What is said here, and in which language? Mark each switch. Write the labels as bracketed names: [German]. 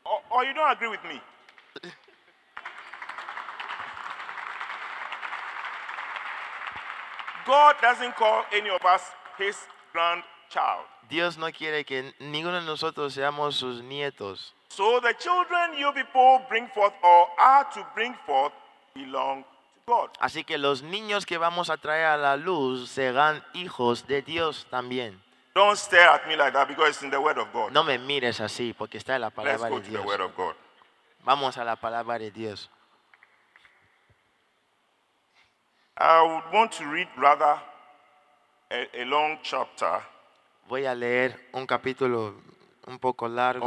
[English] Or you don't agree with me? God doesn't call any of us his grandchild. [Spanish] Dios no quiere que ninguno de nosotros seamos sus nietos. [English] So the children you people bring forth or are to bring forth belong to God. [Spanish] Así que los niños que vamos a traer a la luz serán hijos de Dios también. [English] Don't stare at me like that because it's in the word of God. [Spanish] No me mires así porque está en la palabra de Dios. [English] Let's go to the word of God. [Spanish] Vamos a la palabra de Dios. [English] I would want to read rather a long chapter. [Spanish] Voy a leer un capítulo un poco largo.